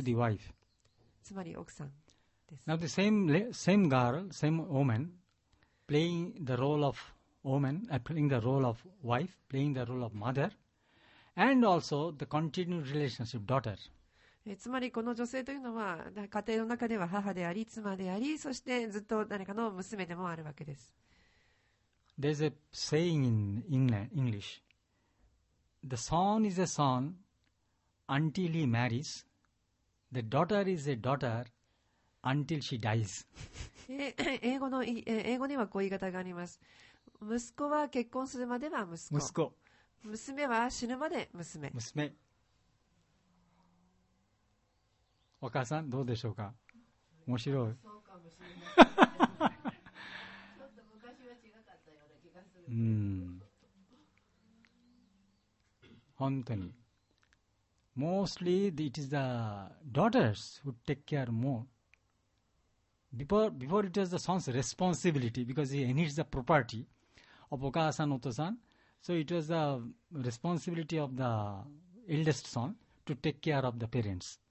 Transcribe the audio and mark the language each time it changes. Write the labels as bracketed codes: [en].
[en] To the wife. [ja] つまり奥さんです。 [en] Now the same girl, same woman, playing the role of woman, playing the role of wife, playing the role of mother, and also the continued relationship daughter. [ja] つまりこの女性というのは家庭の中では母であり妻であり、そしてずっと誰かの娘でもあるわけです。 [en] There's a saying in English: the son is a son until he marries, the daughter is a daughter until she dies. [ja] 英語にはこういう言い方があります。息子は結婚するまでは息子、息子、娘は死ぬまで娘、娘。お母さんどうでしょうか。面白い。そうかもしれない。ちょっと昔は違かったような気がする。本当に。 [en] Mostly it is the daughters who take care more. Before it was the son's responsibility because he inherits the property of [ja] お母さんお父さん。 [en] So it was the responsibility of the eldest son to take care of the parents.